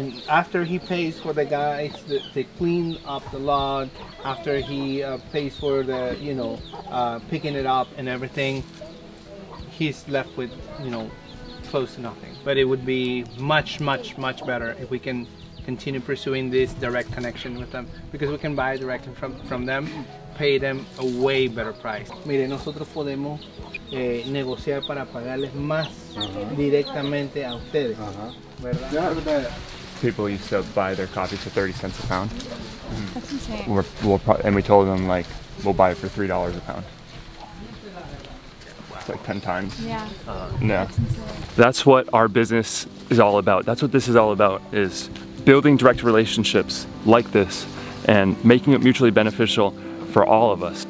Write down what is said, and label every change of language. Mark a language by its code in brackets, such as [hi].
[en] And after he pays for the guys to clean up the log, after he pays for the, you know, picking it up and everything, he's left with, you know, close to nothing. But it would be much, much, much better if we can continue pursuing this direct connection with them, because we can buy directly from them, pay them a way better price. [es] Mire, nosotros podemos negociar para pagarles más directamente a ustedes. [en] People used to buy their coffee for 30 cents a pound. Mm-hmm. That's insane. And we told them, like, we'll buy it for $3 a pound. Like 10 times. Yeah. That's what our business is all about. That's what this is all about, is building direct relationships like this and making it mutually beneficial for all of us.